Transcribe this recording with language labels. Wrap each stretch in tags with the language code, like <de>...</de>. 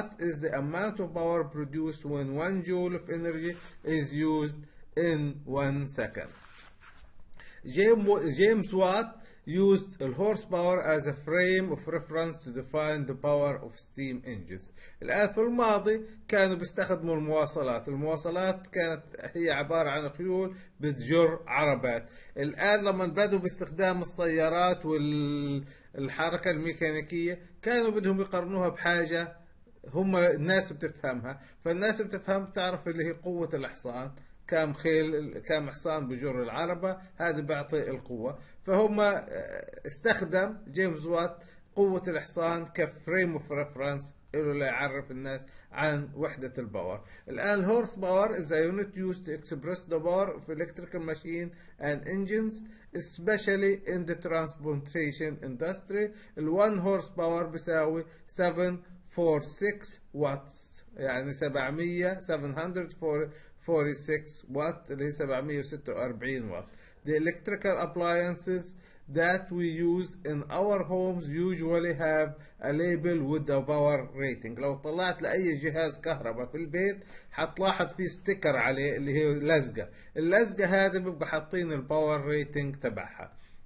<en>What is the amount of power produced when 1 joule of energy is used in 1 second? James Watt used the horsepower as a frame of reference to define the power of steam engines.</en> <ar>الآن في الماضي كانوا بيستخدموا المواصلات، المواصلات كانت هي عبارة عن خيول بتجر عربات. الآن لما بدوا باستخدام السيارات والحركة الميكانيكية كانوا بدهم يقارنوها بحاجة هم الناس بتفهمها، فالناس بتفهم بتعرف اللي هي قوة الحصان، كم خيل كم حصان بجر العربة، هذا بيعطي القوة. فهم استخدم جيمس وات قوة الحصان</ar> <en>كفريم of reference</en> <ar>إله ليعرف الناس عن وحدة الباور. الآن الهورس باور</ar> <en>is a unit used to express the power of electrical machine and engines especially in the transportation industry.</en> <ar>ال 1 horse power بيساوي 746 واتس، يعني 746 وات اللي هي 746 وات.</ar> <en>The electrical appliances that we use in our homes usually have a label with a power rating.</en> <ar>لو طلعت لأي جهاز كهرباء في البيت حتلاحظ في ستيكر عليه اللي هي لزقة، اللزقة هذه بيبقى حاطين الباور ريتنج تبعها.</ar>